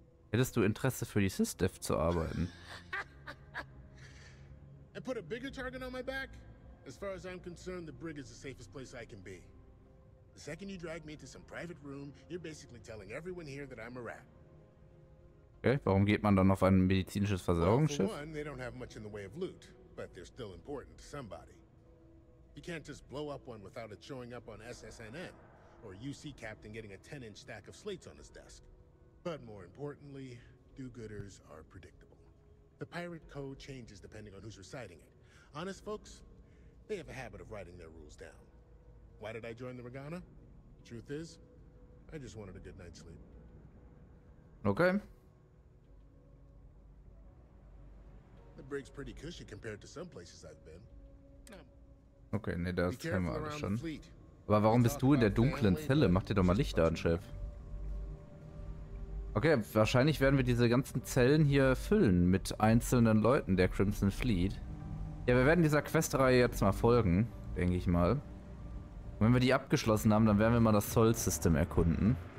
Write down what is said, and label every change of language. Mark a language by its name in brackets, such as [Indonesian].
[German] Hättest du Interesse für die Sysdev zu arbeiten? [English] I put a bigger target on my back? As far as I'm concerned, the brig is the safest place I can be. The second you drag me into some private room, you're basically telling everyone here that I'm a rat. [German] Okay, warum geht man dann auf ein medizinisches Versorgungsschiff? [English] Well, for one, they don't have much in the way of loot, but they're still important to somebody. You can't just blow up one without it showing up on SSNN, or UC captain getting a 10-inch stack of slates on his desk. But more importantly, do-gooders are predictable. The pirate code changes depending on who's reciting it. Honest folks, they have a habit of writing their rules down. Why did I join the Regana? Truth is, I just wanted a good night's sleep. Okay. The brig's pretty cushy compared to some places I've been. [German] Okay, nee, das haben wir alle schon. Aber warum bist du in der dunklen Zelle? Mach dir doch mal Licht an, Chef. Okay, wahrscheinlich werden wir diese ganzen Zellen hier füllen mit einzelnen Leuten der Crimson Fleet. Ja, wir werden dieser Questreihe jetzt mal folgen, denke ich mal. Und wenn wir die abgeschlossen haben, dann werden wir mal das Sol-System erkunden.